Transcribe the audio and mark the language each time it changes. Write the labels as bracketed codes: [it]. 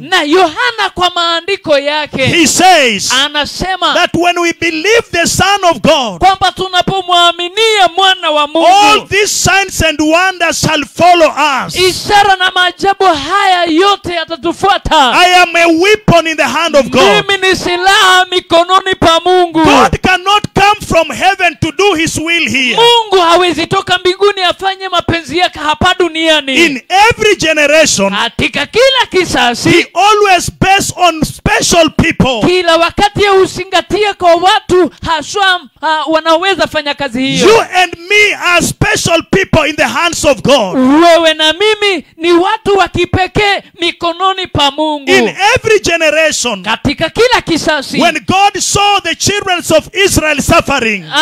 [sw] Na Yohana kwa maandiko yake. [en] He says. [sw] Anasema. [en] That when we believe the Son of God. [sw] Kwamba tunapomwaminia mwana wa Mungu. [en] All these signs and wonders shall follow us. [sw] Ishara na maajabu haya yote yatatufuata. [en] I am a weapon in the hand of God. [sw] Mimi ni silaha mikononi pa Mungu. [en] God cannot come from heaven to do his will here. [sw] Mungu hawezi toka mbinguni afanye mapenzi yake hapa duniani. [en] In every generation. [sw] Katika kila kisasi. [en] He always based on special people. [sw] Kila wakati ya usingatia kwa watu haswa wanaweza fanya kazi hiyo. [en] You and me are special people in the hands of God. [sw] Wewe na mimi ni watu wa kipekee mikononi pa Mungu. [en] In every generation. [sw] Katika kila kisasi. [en] When God saw the children of Israel suffering.